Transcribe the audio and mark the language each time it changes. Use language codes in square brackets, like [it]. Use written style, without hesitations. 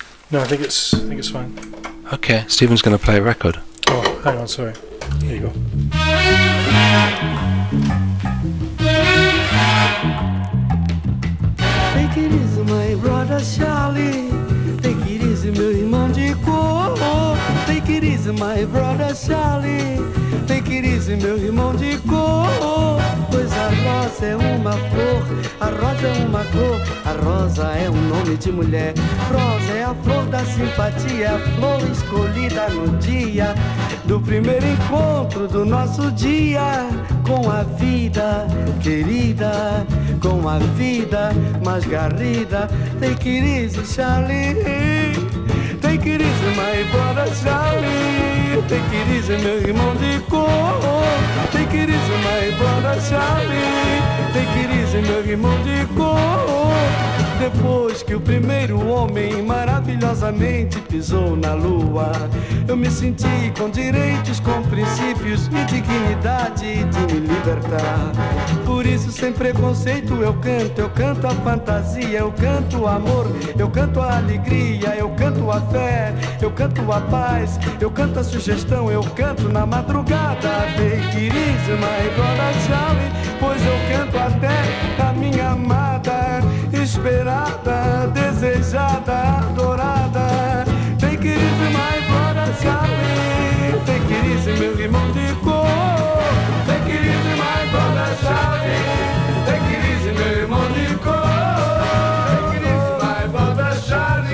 [en] No, I think it's fine. Okay, Stephen's going to play a record. Oh, hang on, sorry. There you go. Think it is my brother Charlie. Think it is [pt] meu irmão de cor. [en] Think it is my brother Charlie. Think it is [pt] meu irmão de cor. Pois a rosa é uma flor, a rosa é uma cor, a rosa é um nome de mulher. Rosa é a flor da simpatia, a flor escolhida no dia do primeiro encontro do nosso dia. Com a vida querida, com a vida mais garrida. [en] Take it easy, Charlie. Take it easy, my brother Charlie. Take it easy, [pt] meu irmão de cor. [en] Take it easy, my brother Charlie. Take it easy, [pt] meu irmão de cor. Depois que o primeiro homem maravilhosamente pisou na lua, eu me senti com direitos, com princípios e dignidade de me libertar. Por isso, sem preconceito, eu canto a fantasia, eu canto o amor, eu canto a alegria, eu canto a fé, eu canto a paz, eu canto a sugestão, eu canto na madrugada. [en] Take it easy, my brother Charlie, [pt] pois eu canto até a minha amada, esperada, desejada, adorada. [en] Take it easy, my brother Charlie. Take it easy, [pt] meu irmão de cor. [en] Take it easy, my brother Charlie. Take it easy, [pt] meu irmão de cor. [en] Take it easy, my brother Charlie.